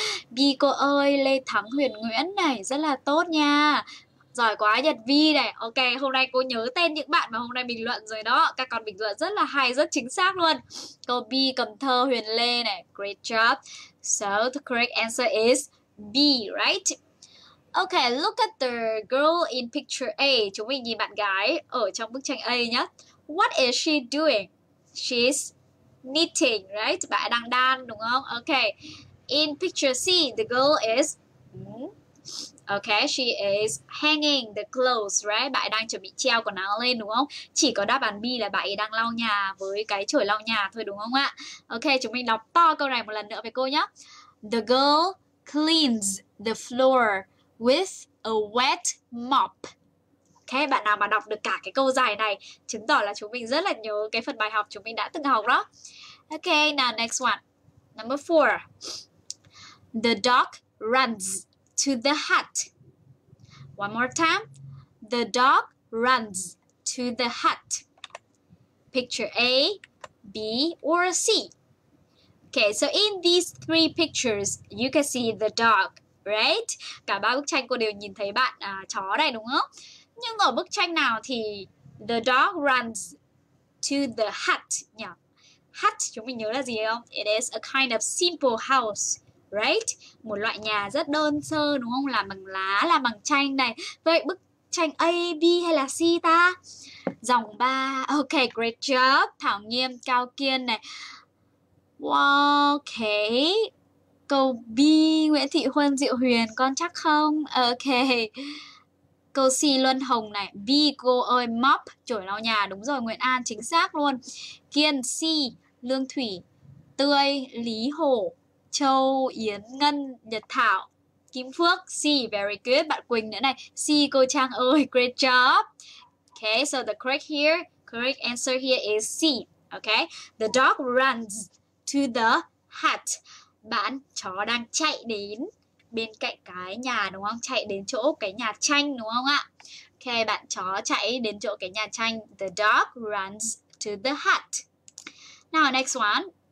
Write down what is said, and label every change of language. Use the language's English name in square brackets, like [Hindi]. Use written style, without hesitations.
[Vietnamese] B cô ơi, Lê Thắng Huyền Nguyễn này, rất là tốt nha. Giỏi quá Nhật Vi này. Ok, hôm nay cô nhớ tên những bạn mà hôm nay bình luận rồi đó. Các con bình luận rất là hay, rất chính xác luôn. Câu B, Cầm Thơ Huyền Lê này, [English] great job. So the correct answer is B, right? Ok, look at the girl in picture A. [Vietnamese] Chúng mình nhìn bạn gái ở trong bức tranh A nhé. [English] What is she doing? She's knitting, right? [Vietnamese] Bạn đang đan đúng không? Ok. [English] In picture C, the girl is she is hanging the clothes, right? [Vietnamese] Bạn đang chuẩn bị treo quần áo lên đúng không? Chỉ có đáp án B là bạn ấy đang lau nhà với cái chổi lau nhà thôi đúng không ạ? Ok, chúng mình đọc to câu này một lần nữa với cô nhé. [English] The girl cleans the floor with a wet mop. [Vietnamese] Thế bạn nào mà đọc được cả cái câu dài này chứng tỏ là chúng mình rất là nhớ cái phần bài học chúng mình đã từng học đó. [English] Okay, now next one. Number four. The dog runs to the hut. One more time. The dog runs to the hut. Picture A, B, or C? Okay, so in these three pictures, you can see the dog, right? [Vietnamese] Cả ba bức tranh cô đều nhìn thấy bạn chó này đúng không? Nhưng ở bức tranh nào thì [English] the dog runs to the hut [Vietnamese] nhỉ? Hut chúng mình nhớ là gì không? [English] It is a kind of simple house, right? [Vietnamese] Một loại nhà rất đơn sơ đúng không? Làm bằng lá, làm bằng tranh này. Vậy bức tranh A, B hay là C ta? Dòng 3. Ok, [English] great job. [Vietnamese] Thảo Nghiêm, Cao Kiên này. Ok. Câu B, Nguyễn Thị Huân, Diệu Huyền, con chắc không? Ok. Câu C, Luân Hồng này. B, cô ơi, mop, chổi lau nhà. Đúng rồi, Nguyễn An, chính xác luôn. Kiên, C, Lương Thủy, Tươi, Lý Hổ, Châu, Yến, Ngân, Nhật Thảo, Kim Phước, C, [English] very good. [Vietnamese] Bạn Quỳnh nữa này. C, cô Trang ơi, [English] great job. Okay, so the correct here, correct answer here is C. Okay, the dog runs to the hut. [Vietnamese] Bạn chó đang chạy đến bên cạnh cái nhà đúng không? Chạy đến chỗ cái nhà tranh đúng không ạ? Okay, bạn chó chạy đến chỗ cái nhà tranh. [English] The dog runs to the hut. Now, next one.